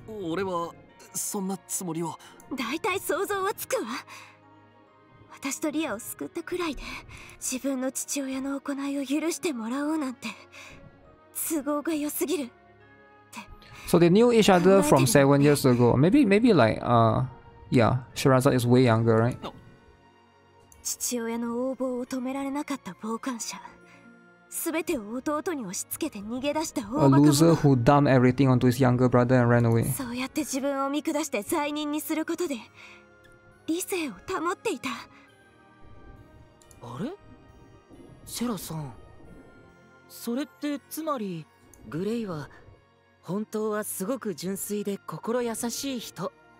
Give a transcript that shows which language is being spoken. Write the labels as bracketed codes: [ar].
[ja] 俺はそんなつもりは。大体想像はつくわ。私とリアを救ったくらいで自分の父親の行いを許してもらおうなんて都合が良すぎるって。 [en] So they knew each other from 7 years ago. Maybe like yeah, Shiraza is way younger, right? [ja] 父親の横暴を止められなかった傍観者。全てを弟に押し付けて逃げ出した大 [en] バカ。 A loser who dumped everything onto his younger brother and ran away. [ja] そうやって自分を見下して罪人にすることで理性を保っていた。あれ、シェラさん、それってつまりグレイは本当はすごく純粋で心優しい人。